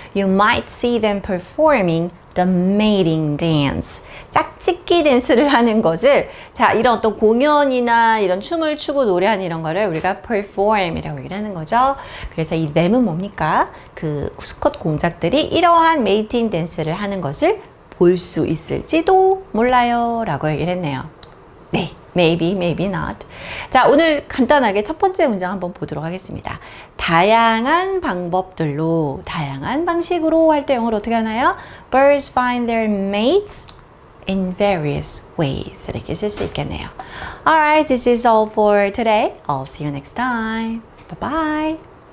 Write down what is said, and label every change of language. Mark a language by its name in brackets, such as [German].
[English] You might see them performing the mating dance. [Korean] 짝짓기 댄스를 하는 것을, 자, 이런 어떤 공연이나 이런 춤을 추고 노래하는 이런 거를 우리가 perform이라고 얘기를 하는 거죠. 그래서 이 them은 뭡니까? 그 수컷 공작들이 이러한 mating 댄스를 하는 것을 볼 수 있을지도 몰라요 라고 얘기를 했네요. [English] 네, maybe, maybe not. [Korean] 자, 오늘 간단하게 첫 번째 문장 한번 보도록 하겠습니다. 다양한 방법들로, 다양한 방식으로 할 때 영어로 어떻게 하나요? [English] Birds find their mates in various ways. [Korean] 이렇게 쓸 수 있겠네요. [English] Alright, this is all for today. I'll see you next time. Bye-bye.